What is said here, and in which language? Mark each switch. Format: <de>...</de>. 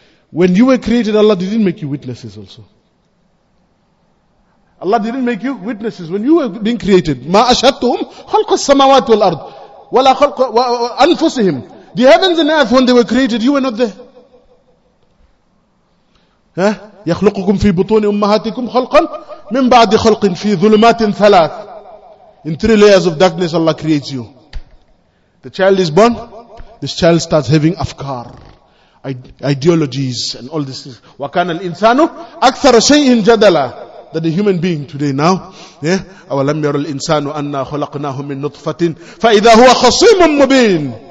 <en>When you were created, Allah didn't make you witnesses also. Allah didn't make you witnesses when you were being created.</en> <ar>مَا أَشْهَدْتُهُمْ خَلْقَ السَّمَوَاتِ وَالْأَرْضِ وَلَا خَلْقَ أَنفُسِهِمْ.</ar> <en>The heavens and earth, when they were created, you were not there.</en> <ar>يخلقكم في بطون أمهاتكم خلقا من بعد خلق في ظلمات ثلاث.</ar> <en>In three layers of darkness Allah creates you. The child is born, this child starts having afkar, ideologies and all this.</en> <ar>وَكَانَ الْإِنسَانُ أَكْثَرَ شَيْءٍ جَدَلًا.</ar> <en>That a human being today now, yeah,</en> <ar>أَوَلَمْ يَرَ الْإِنسَانُ أَنَّا خُلَقْنَاهُ مِنْ نُطْفَةٍ فَإِذَا هُوَ خَصِيمٌ مُبِينٌ.</ar>